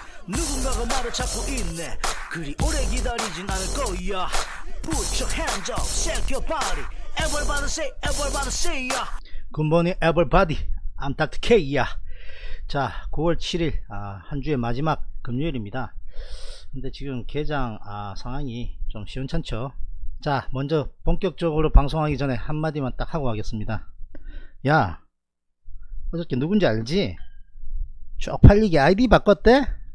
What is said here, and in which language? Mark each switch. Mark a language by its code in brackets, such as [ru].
[ko] 누군가가 나를 찾고 있네. 그리 오래 기다리진 않을 거야. [en] Put your hands up, shake your body. Everybody say, everybody say ya. Good morning, everybody. I'm Dr. K야. [ko] 자, 9월 7일 한 주의 마지막 금요일입니다. 근데 지금 개장 상황이 좀 시원찮죠? 자, 먼저 본격적으로 방송하기 전에 한마디만 딱 하고 가겠습니다. 야, 어저께 누군지 알지? 쪽팔리기 아이디 바꿨대?